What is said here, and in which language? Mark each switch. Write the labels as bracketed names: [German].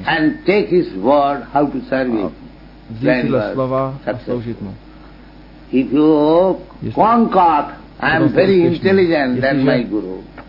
[English] And take his word how to serve him. [Czech] Vzít sile slova a sloužit mu. [English] If you concoct, I am very intelligent, than my Guru.